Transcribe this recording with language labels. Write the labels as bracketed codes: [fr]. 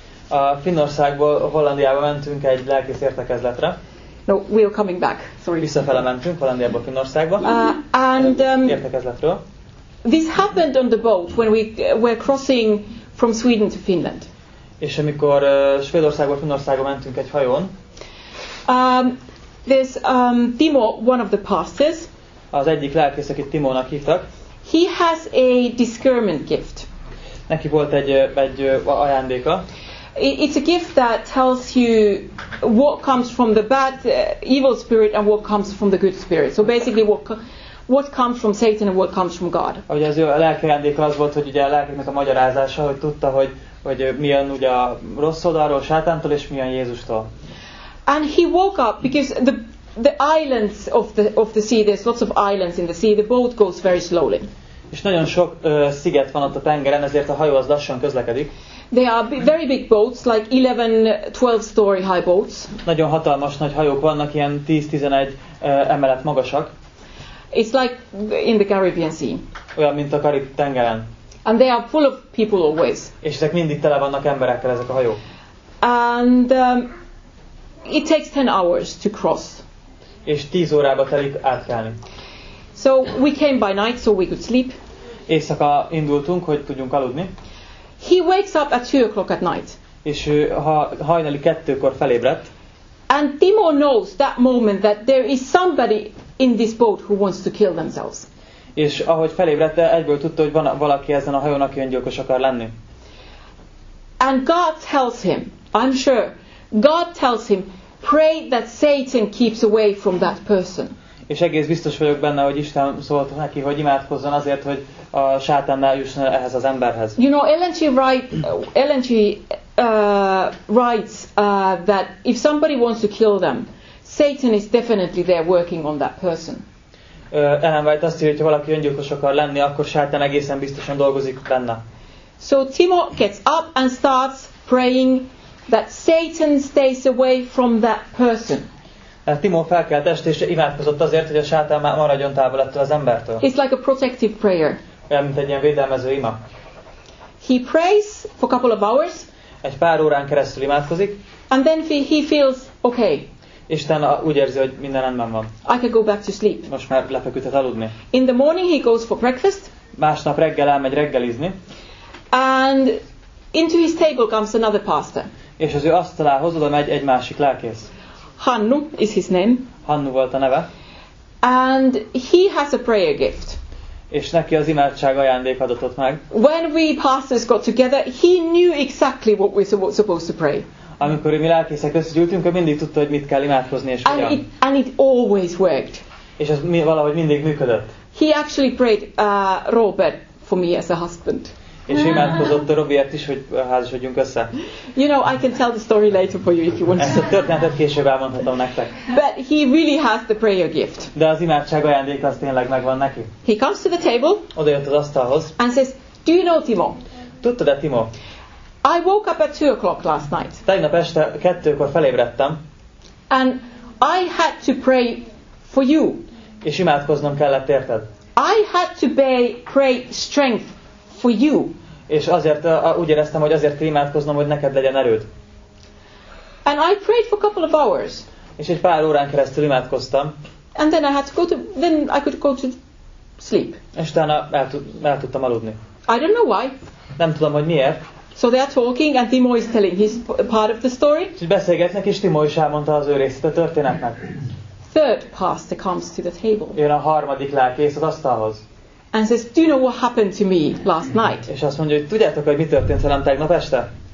[hu] A Finnországból Hollandiába mentünk egy lelkészertekezletre. [en] No, we are coming back. Sorry. [hu] Visszafele mentünk Hollandiába Finnországba. Értekezletről. [en] This happened on the boat when we were crossing from Sweden to Finland. [hu] És amikor Svédországból Finnországba mentünk egy hajón. [en] There's Timo, one of the pastors. [hu] Az egyik lelkész, akit Timónak hívtak. [en] He has a discernment gift. [hu] Neki volt egy ajándéka. [en] It's a gift that tells you what comes from the bad, evil spirit, and what comes from the good spirit. So basically, what comes from Satan and what comes from God. [hu] Ugye az ő lelkiajándéka az volt, hogy ugye a lelkének a magyarázása, hogy tudta, hogy milyen ugye a rossz oldalról, Sátántól, és milyen Jézustól. [en] And he woke up because the islands of the sea, there's lots of islands in the sea, the boat goes very slowly. [hu] És nagyon sok sziget van ott a tengeren, ezért a hajó az lassan közlekedik. [en] They are very big boats, like 11-12 story high boats. [hu] Nagyon hatalmas nagy hajók vannak, ilyen 10-11 emelet magasak. [en] It's like in the Caribbean Sea. [hu] Olyan, mint a Karib tengeren. [en] And they are full of people always. [hu] És ezek mindig tele vannak emberekkel, ezek a hajók. [en] And it takes 10 hours to cross. [hu] És 10 órába telik átkelni. [en] So we came by night so we could sleep. [hu] Éjszaka indultunk, hogy tudjunk aludni. [en] He wakes up at 2 o'clock at night. [hu] És hajnali 2-kor felébredt. [en] And Timo knows that moment that there is somebody in this boat who wants to kill themselves. [hu] És ahogy felébredt, egyből tudta, hogy van valaki ezen a hajón, aki öngyilkos akar lenni. [en] And God tells him, I'm sure, God tells him, pray that Satan keeps away from that person. [hu] És egész biztos vagyok benne, hogy Isten szólt neki, hogy imádkozzon azért, hogy a Sátán ne jusson ehhez az emberhez. [en] You know, Ellen G. writes that if somebody wants to kill them, Satan is definitely there working on that person. [hu] Ellen White azt írja, hogy ha valaki öngyilkos akar lenni, akkor Sátán egészen biztosan dolgozik benne. [en] So Timo gets up and starts praying that Satan stays away from that person. [hu] Timo felkelt est és imádkozott azért, hogy a Sátán maradjon távol ettől az embertől. [en] It's like a protective prayer. [hu] Olyan, mint egy ilyen védelmező ima. [en] He prays for a couple of hours. [hu] Egy pár órán keresztül imádkozik. [en] And then he feels okay. [hu] Isten úgy érzi, hogy minden rendben van. [en] I can go back to sleep. [hu] Most már lefeküdhet aludni. [en] In the morning he goes for breakfast. [hu] Másnap reggel elmegy reggelizni. [en] And into his table comes another pastor. [hu] És az ő asztalához oda megy egy másik lelkész. [en] Hannu is his name. [hu] Hannu volt a neve. [en] And he has a prayer gift. [hu] És neki az imádság ajándék adott meg. [en] When we pastors got together, he knew exactly what we were supposed to pray. [hu] Amikor mi lelkészek összegyűltünk, ő mindig tudta, hogy mit kell imádkozni és hogyan. [en] And it always worked. [hu] És ez valahogy mindig működött. [en] He actually prayed Robert for me as a husband. [hu] És imádkozott a Robiért is, hogy házasodjunk össze. [en] You know, I can tell the story later for you if you want. [hu] Ezt a történetet később elmondhatom nektek. [en] But he really has the prayer gift. [hu] De az imádság ajándék az tényleg megvan neki. [en] He comes to the table. [hu] Odajött az asztalhoz. [en] And says, do you know Timo? [hu] Tudtad-e, Timo? [en] I woke up at 2 o'clock last night. [hu] Tegnap este 2-kor felébredtem. [en] And I had to pray for you. [hu] És imádkoznom kellett érted. [en] I had to pray strength for you. [hu] És azért úgy éreztem, hogy azért kell imádkoznom, hogy neked legyen erőd. [en] And I prayed for a couple of hours. [hu] És egy pár órán keresztül imádkoztam. [en] And then I had to go to, then I could go to sleep. [hu] És utána el tudtam aludni. [en] I don't know why. [hu] Nem tudom, hogy miért. [en] So they are talking and Timo is telling his part of the story. [hu] És beszélgetnek, és Timo is elmondta az ő részét a történetnek. [en] Third pastor comes to the table. [hu] Jön a harmadik lelkész az asztalhoz. [en] And says, do you know what happened to me last night? [hu] És azt mondja, hogy tudjátok, hogy mi történt velem tegnap este?